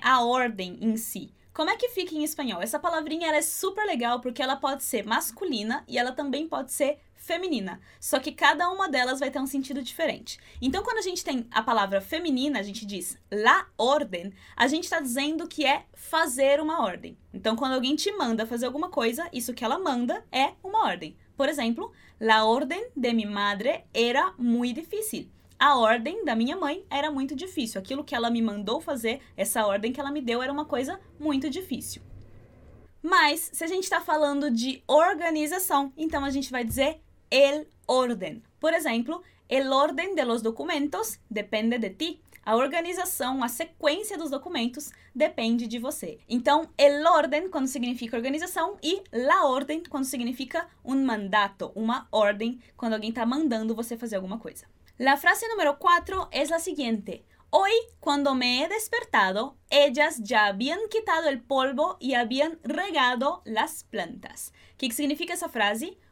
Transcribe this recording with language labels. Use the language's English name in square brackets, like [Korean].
[Portuguese] A ordem em si. Como é que fica em espanhol? Essa palavrinha ela é super legal porque ela pode ser masculina e ela também pode ser feminina. Só que cada uma delas vai ter um sentido diferente. Então, quando a gente tem a palavra feminina, a gente diz [Spanish] la orden, [Portuguese] a gente está dizendo que é fazer uma ordem. Então, quando alguém te manda fazer alguma coisa, isso que ela manda é uma ordem. Por exemplo, [Spanish] la orden de mi madre era muy difícil. [Portuguese] A ordem da minha mãe era muito difícil. Aquilo que ela me mandou fazer, essa ordem que ela me deu, era uma coisa muito difícil. Mas, se a gente está falando de organização, então a gente vai dizer [Spanish] el orden. [Portuguese] Por exemplo, [Spanish] el orden de los documentos depende de ti. [Portuguese] A organização, a sequência dos documentos depende de você. Então, [Spanish] el orden [Portuguese] quando significa organização e [Spanish] la orden [Portuguese] quando significa [Spanish] un mandato, [Portuguese] uma ordem, quando alguém está mandando você fazer alguma coisa. [Spanish] La frase número 4 es la siguiente. Hoy, cuando me he despertado, ellas ya habían quitado el polvo y habían regado las plantas. ¿Qué significa esa frase?